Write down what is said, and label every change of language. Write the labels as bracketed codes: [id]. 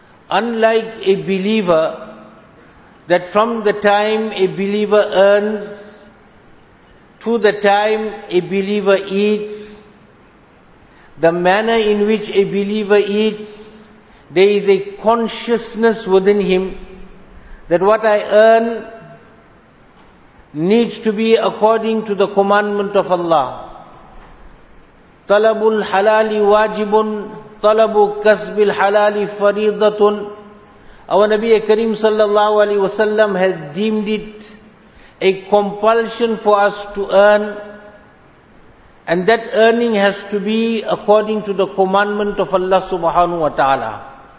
[en] Unlike a believer, that from the time a believer earns to the time a believer eats, the manner in which a believer eats, there is a consciousness within him that what I earn needs to be according to the commandment of Allah. [ar] طلب الحلال واجب طلب كسب الحلال فريضة. [en] Our Nabi Kareem sallallahu alaihi wasallam has deemed it a compulsion for us to earn, and that earning has to be according to the commandment of Allah subhanahu wa ta'ala.